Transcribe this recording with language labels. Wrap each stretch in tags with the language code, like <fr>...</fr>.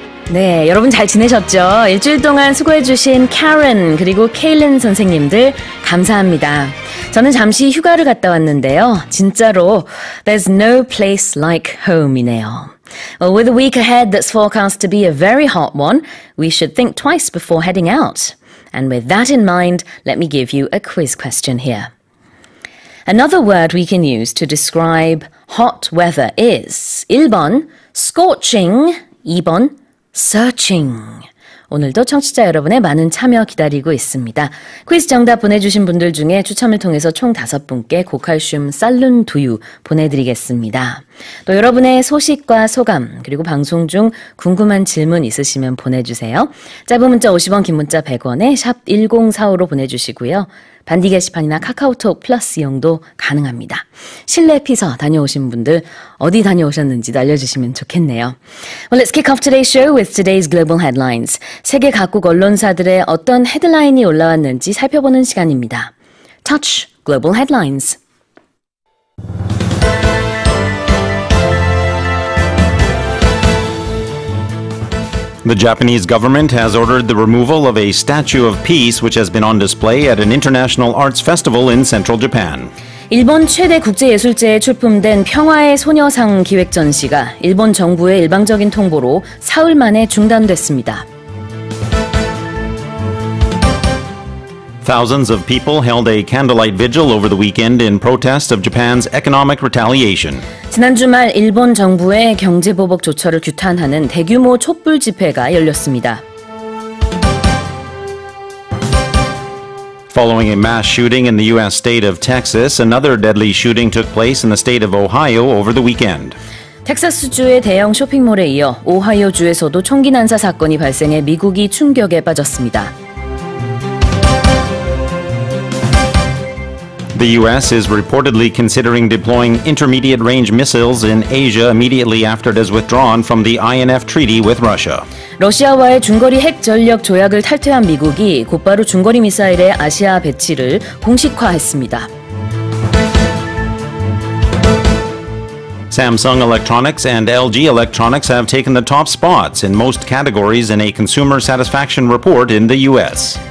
<ko>네, 여러분 잘 지내셨죠? 일주일 동안 수고해주신 Karen 그리고 Kaylin 선생님들 감사합니다. 저는 잠시 휴가를 갔다 왔는데요. 진짜로</ko> <en>There's no place like home</en> <ko>이네요.</ko> <en>Well, with a week ahead that's forecast to be a very hot one, we should think twice before heading out. And with that in mind, let me give you a quiz question here. Another word we can use to describe hot weather is</en> <ko>1번</ko> <en>scorching,</en> <ko>2번</ko> <en>searching.</en> <ko>오늘도 청취자 여러분의 많은 참여 기다리고 있습니다. 퀴즈 정답 보내주신 분들 중에 추첨을 통해서 총 다섯 분께 고칼슘 쌀룬 두유 보내드리겠습니다. 또 여러분의 소식과 소감 그리고 방송 중 궁금한 질문 있으시면 보내주세요. 짧은 문자 50원 긴 문자 100원에 샵 1045로 보내주시고요. 반디 게시판이나 카카오톡 플러스 이용도 가능합니다. 실내 피서 다녀오신 분들 어디 다녀오셨는지도 알려주시면 좋겠네요.</ko> <en>Well, let's kick off today's show with today's global headlines.</en> <ko>세계 각국 언론사들의 어떤 헤드라인이 올라왔는지 살펴보는 시간입니다.</ko> <en>Touch Global Headlines. The Japanese government has ordered the removal of a statue of peace which has been on display at an international arts festival in central Japan.</en> <ko>일본 최대 국제예술제에 출품된 평화의 소녀상 기획 전시가 일본 정부의 일방적인 통보로 사흘 만에 중단됐습니다.</ko> <en>Thousands of people held a candlelight vigil over the weekend in protest of Japan's economic retaliation.</en> <ko>지난 주말 일본 정부의 경제 보복 조처를 규탄하는 대규모 촛불 집회가 열렸습니다.</ko> <en>Following a mass shooting in the US state of Texas, another deadly shooting took place in the state of Ohio over the weekend.</en> <ko>텍사스주의 대형 쇼핑몰에 이어 오하이오주에서도 총기 난사 사건이 발생해 미국이 충격에 빠졌습니다.</ko> <en>The U.S. is reportedly considering deploying intermediate-range missiles in Asia immediately after it has withdrawn from the INF treaty with Russia.</en> <ko>러시아와의 중거리 핵 전력 조약을 탈퇴한 미국이 곧바로 중거리 미사일의 아시아 배치를 공식화했습니다.</ko> <en>Samsung Electronics and LG Electronics have taken the top spots in most categories in a consumer satisfaction report in the U.S.</en>